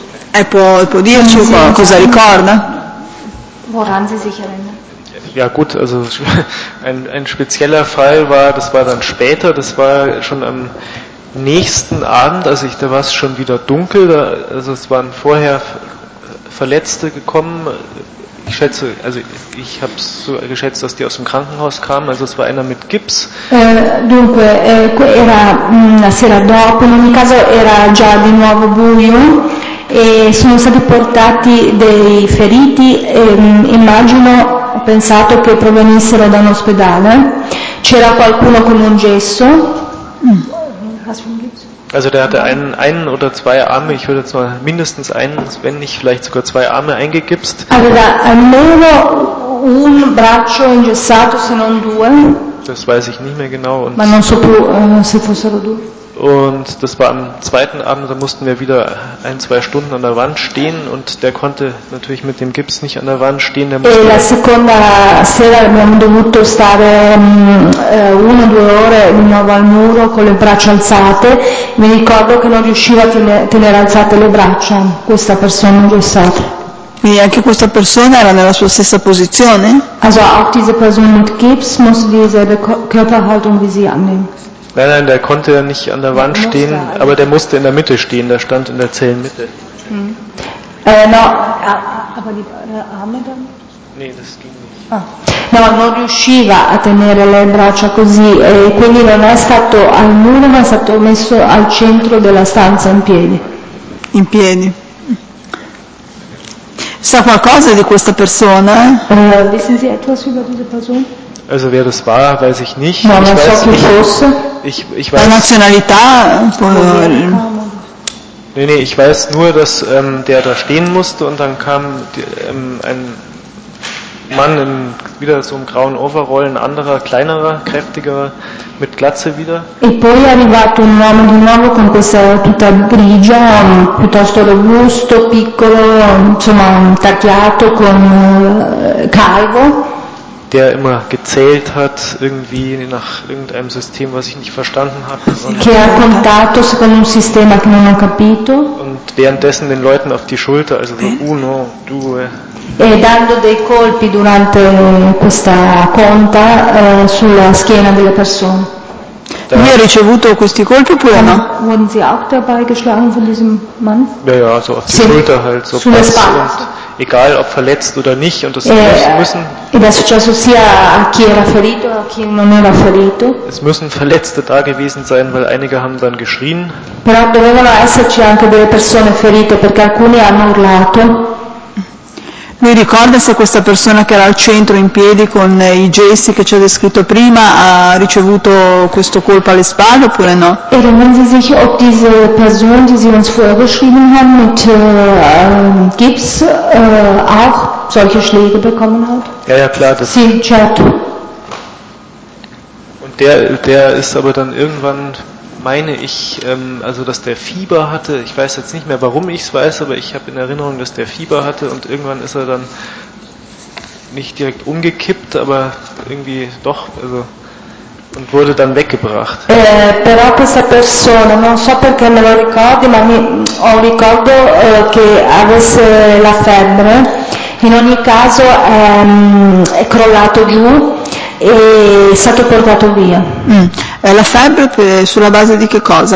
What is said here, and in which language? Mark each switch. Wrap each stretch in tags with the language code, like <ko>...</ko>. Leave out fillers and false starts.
<it>E può dirci cosa ricorda?</it> <de>Woran Sie sich erinnern? Ja gut, also ein spezieller Fall war, das war dann später, das war schon am nächsten Abend, also da war es schon wieder dunkel, also es waren vorher Verletzte gekommen, ich schätze, also ich habe es so geschätzt, dass die aus dem Krankenhaus kamen, also es war einer mit Gips.</de> <it>Dunque, era la sera dopo, in ogni caso era già di nuovo buio. E sono stati portati dei feriti, immagino, ho pensato che provenissero da un ospedale. C'era qualcuno con un gesso?</it> <de>Also der hatte einen oder zwei Arme, ich würde jetzt mal mindestens einen, wenn nicht vielleicht sogar zwei Arme eingegipst. Aveva almeno un braccio ingessato, se non due. Das weiß ich nicht mehr genau. Ma non so più se fossero due. Und das war am zweiten Abend, da mussten wir wieder ein, zwei Stunden an der Wand stehen und der konnte natürlich mit dem Gips nicht an der Wand stehen. Der</de> <it>e la seconda sera abbiamo dovuto stare una o due ore di nuovo al muro con le braccia alzate. Mi ricordo che non riusciva a tenere alzate le braccia questa persona ingessata. E anche questa persona era nella sua stessa posizione?</it> <de>Also auch diese Person mit Gips muss dieselbe Körperhaltung wie sie annehmen. Nein, nein, der konnte ja nicht an der Wand stehen, aber der musste in der Mitte stehen, der stand in der Zellenmitte. No, aber die Arme dann? Nee, das ging nicht. Ah.</de> <it>No, non riusciva a tenere le braccia così, quindi non è stato al muro, ma è stato messo al centro della stanza in piedi. In piedi. Sa qualcosa di questa persona?</it> <de>Wissen Sie etwas über diese Person? Also wer das war, weiß ich nicht.</de> <it>No,</it> <de>ich</de> <it>non so chi fosse.</it> <de>Ich weiß,</de> <it>la nazionalità.</it> <de>Nee, ich weiß nur, dass der da stehen musste und dann kam ein Mann in wieder so einem grauen Overall, ein anderer, kleinerer, kräftigerer, mit Glatze wieder.</de> <it>E poi è arrivato un uomo di nuovo con questa tuta grigia, piuttosto robusto, piccolo, insomma, tacchiato, con calvo.</it> <de>Der immer gezählt hat, irgendwie nach irgendeinem System, was ich nicht verstanden habe.</de> <it>Che ha contato secondo un sistema che non ho capito.</it> <de>Und währenddessen den Leuten auf die Schulter, also so</de> <it>uno, due. E dando dei colpi durante questa conta sulla schiena delle persone. Lui ha ricevuto questi colpi oppure no?</it> <de>Wurden sie auch dabei geschlagen von diesem Mann? Ja, ja, so auf die Schulter halt, so</de> <it>sulle spalle.</it> <de>Egal ob verletzt oder nicht und das müssen.</de> <it>Ed è successo sia a chi era ferito a chi non era ferito.</it> <de>Es müssen Verletzte da gewesen sein, weil einige haben dann geschrien.</de> <it>Però dovevano esserci anche delle persone ferite perché alcuni hanno urlato. Mi ricorda se questa persona che era al centro in piedi con i gesti che ci ha descritto prima ha ricevuto questo colpo alle spalle oppure no?</it> <de>Erinnern Sie sich, ob diese Person, die Sie uns vorher beschrieben haben, mit Gips auch solche Schläge bekommen hat? Ja, ja, klar. Das</de> <it>sì, certo.</it> <de>Und der ist aber dann irgendwann, meine ich, also dass der Fieber hatte, ich weiß jetzt nicht mehr, warum ich es weiß, aber ich habe in Erinnerung, dass der Fieber hatte und irgendwann ist er dann nicht direkt umgekippt, aber irgendwie doch, also und wurde dann weggebracht.</de> <it>Però questa persona, non so perché me lo ricordi, ma ho ricordo che avesse la febbre, in ogni caso è crollato giù e è stato portato via. È la febbre sulla base di che cosa?</it>